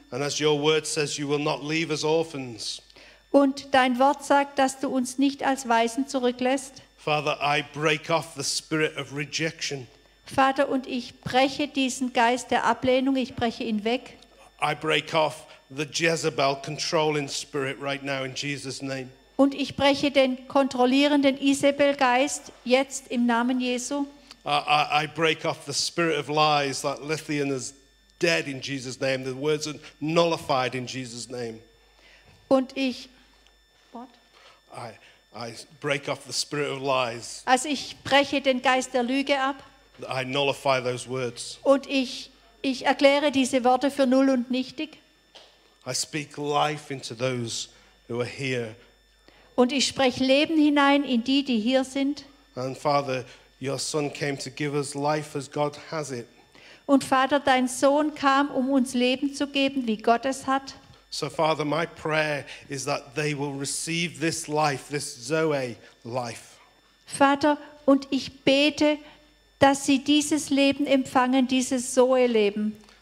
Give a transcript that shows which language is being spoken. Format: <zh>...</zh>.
<en>And as your word says, you will not leave us orphans.</en> <de>Und dein Wort sagt, dass du uns nicht als Waisen zurücklässt.</de> <en>Father, I break off the spirit of rejection.</en> <de>Vater, und ich breche diesen Geist der Ablehnung, ich breche ihn weg.</de> <en>I break off the Jezebel controlling spirit right now in Jesus' name.</en> <de>Und ich breche den kontrollierenden Isabel-Geist jetzt im Namen Jesu.</de> <en>I break off the spirit of lies that Lithian is dead in Jesus' name. The words are nullified in Jesus' name.</en> <de>Und ich,</de> <en>what? I break off the spirit of lies.</en> <de>Also ich breche den Geist der Lüge ab.</de> <en>I nullify those words.</en> <de>Und ich erkläre diese Worte für null und nichtig.</de> <en>I speak life into those who are here.</en> <de>Und ich spreche Leben hinein in die, die hier sind.</de> <en>And Father, your son came to give us life as God has it.</en> <de>Und Vater, dein Sohn kam, um uns Leben zu geben, wie Gott es hat.</de> <en>So Father, my prayer is that they will receive this life, this Zoe life.</en> <de>Vater, und ich bete, dass sie dieses Leben empfangen, dieses Zoe Leben.</de>